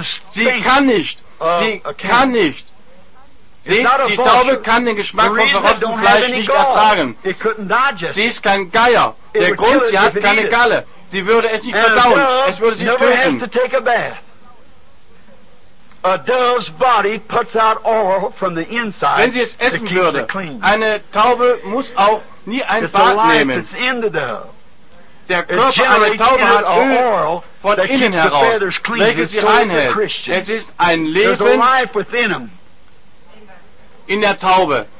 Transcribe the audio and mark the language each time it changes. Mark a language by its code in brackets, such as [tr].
[de] Sie kann nicht. Seht, die Taube kann den Geschmack von verrottetem Fleisch nicht ertragen. Sie ist kein Geier. Der Grund, sie hat keine Galle. Sie würde es nicht verdauen. Es würde sie töten. [en] A dove's body puts out oil from the inside. [de] Wenn sie es essen würde, eine Taube muss auch nie ein Bad nehmen. [en] It's in the dove. [de] Der Körper einer Taube hat Öl von innen heraus, welches sie reinhält. Es ist ein Leben in der Taube.